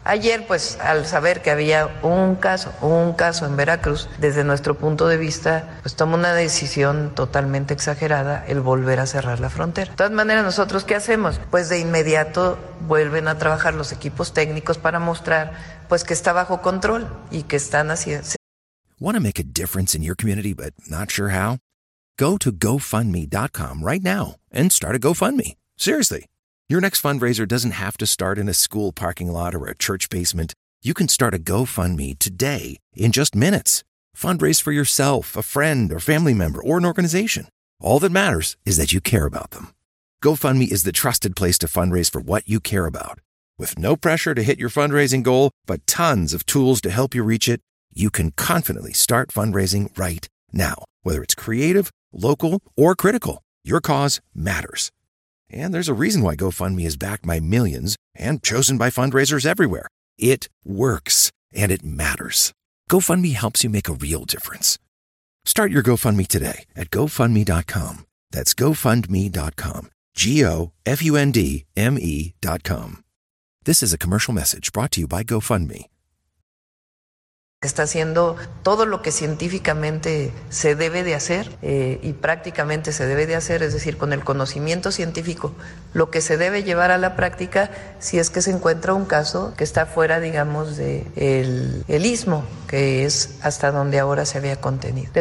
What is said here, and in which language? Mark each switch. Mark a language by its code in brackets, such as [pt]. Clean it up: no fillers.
[es] Ayer, pues, al saber que había un caso en Veracruz, desde nuestro punto de vista, pues tomó una decisión totalmente exagerada el volver a cerrar la frontera. De todas maneras, ¿nosotros qué hacemos? Pues de inmediato vuelven a trabajar los equipos técnicos para mostrar, pues, que está bajo control y que están haciendo. [en] Want to make a difference in your community but not sure how? Go to GoFundMe.com right now and start a GoFundMe. Seriously. Your next fundraiser doesn't have to start in a school parking lot or a church basement. You can start a GoFundMe today in just minutes. Fundraise for yourself, a friend, or family member, or an organization. All that matters is that you care about them. GoFundMe is the trusted place to fundraise for what you care about. With no pressure to hit your fundraising goal, but tons of tools to help you reach it, you can confidently start fundraising right now. Whether it's creative, local, or critical, your cause matters. And there's a reason why GoFundMe is backed by millions and chosen by fundraisers everywhere. It works, and it matters. GoFundMe helps you make a real difference. Start your GoFundMe today at GoFundMe.com. That's GoFundMe.com. GoFundMe.com. This is a commercial message brought to you by GoFundMe. [es] Está haciendo todo lo que científicamente se debe de hacer y prácticamente se debe de hacer, es decir, con el conocimiento científico, lo que se debe llevar a la práctica si es que se encuentra un caso que está fuera, digamos, del istmo, que es hasta donde ahora se había contenido.